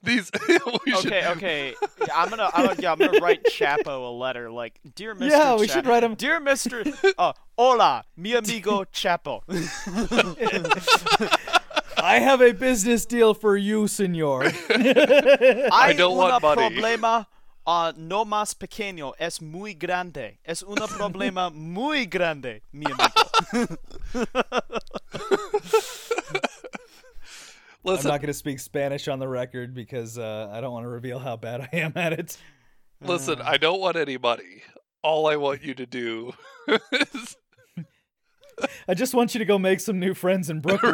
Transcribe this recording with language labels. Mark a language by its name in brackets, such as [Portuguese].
[English] Okay. I'm gonna write Chapo a letter. Like, dear Mr. Yeah, Chapo, we should write him. Dear Mr. [Spanish] Hola, mi amigo Chapo. [English] I have a business deal for you, señor. I don't want money. [Spanish] Problema. No más pequeño, es muy grande. Es un problema muy grande, mi amigo. [English] Listen, I'm not going to speak Spanish on the record because I don't want to reveal how bad I am at it. Listen, I don't want any money. All I want you to do is... I just want you to go make some new friends in Brooklyn.